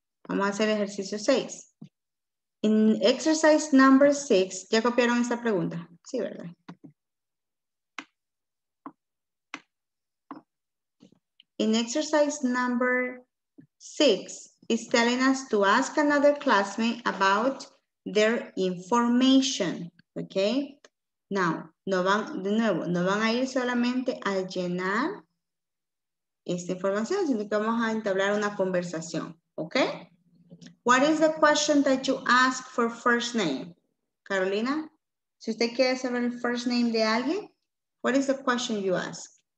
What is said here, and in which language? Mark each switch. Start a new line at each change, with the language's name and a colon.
Spanish: Vamos a hacer ejercicio 6.
English: In exercise number 6,
Spanish: ¿ya copiaron esta pregunta? Sí, ¿verdad?
English: In exercise number 6 is telling us to ask another classmate about their information, okay?
Spanish: Now, no van a ir solamente a llenar esta información, sino que vamos a entablar una conversación, okay?
English: What is the question that you ask for first name? Carolina? Hi,
Spanish: Si usted quiere saber el first name de alguien,
English: what is the question you ask?